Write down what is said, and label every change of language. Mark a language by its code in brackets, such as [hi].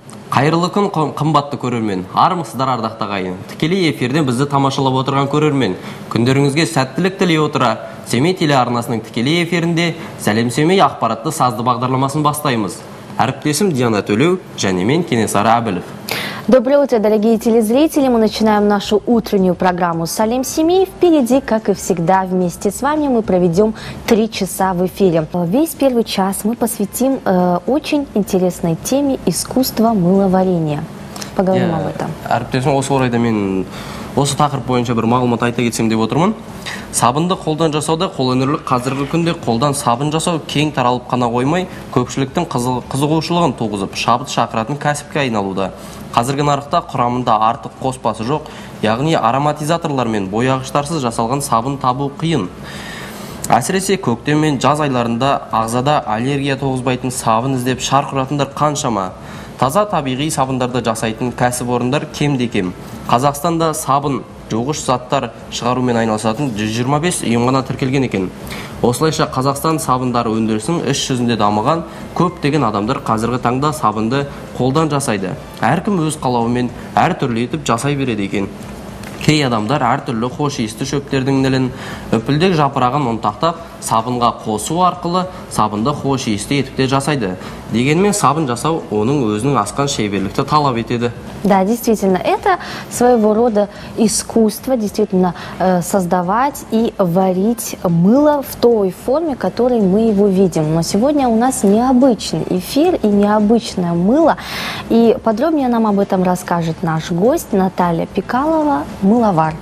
[kk] қайырлы күн қымбатты көрермен. Армысыздар ардақты ағайын. Тікелей эфирден бізді тамашалап отырған көрермен. Күндеріңізге сәттілік тілей отыра. Семей телеарнасының тікелей эфирінде Сәлем Семей ақпаратты сазды бағдарламасын бастаймыз. Әріптесім Диана Төлеу, және мен Кенесары Әбілов. [ru] Доброе утро, дорогие телезрители. Мы начинаем нашу утреннюю программу «Салем семьи». Впереди, как и всегда, вместе с вами мы проведем 3 часа в эфире. Весь первый час мы посвятим очень интересной теме искусства мыловарения. Поговорим об этом. [kk] Арптесин, осы орайда мен осы тақырып бойынша бір мағлымат айта кетсем деп отырмын. Сабынды қолдан жасауда қолөнерлік қазіргі күнде қолдан сабын жасау кең таралып қана қоймай, көпшіліктің қызығушылығын туғызып, шабыт шақыратын кәсіпке айналуда. Қазіргі нарықта құрамында артық қоспасы жоқ, яғни ароматизаторлар мен бояғыштарсыз жасалған сабын табу қиын. Әсіресе көктем мен жаз айларында ағзада аллергия туғызбайтын сабын іздеп шарқыратындар қаншама. Таза табиғи сабындарды жасайтын кәсіпорындар кем де кем. Қазақстанда сабын, жуғыш заттар шығарумен айналысатын 125 ұйым ғана тіркелген екен. Осылайша Қазақстан сабындары өндірісін іс жүзінде дамыған көптеген адамдар қазіргі таңда сабынды қолдан жасайды. Әркім өз қалауымен әр түрлі етіп жасай береді екен. Кей адамдар әр түрлі хош исті шөптердің нілін үпілдек жапырағын ұнтақтап, сабынға қосу арқылы сабынды хош исті етіп те жасайды. Дегенмен сабын жасау оның өзінің асқан шеберлікті талап етеді. [ru] Да, действительно, это своего рода искусство, действительно, создавать и варить мыло в той форме, которой мы его видим. Но сегодня у нас необычный эфир и необычное мыло. И подробнее нам об этом расскажет наш гость Наталья Пикалова, мыловар.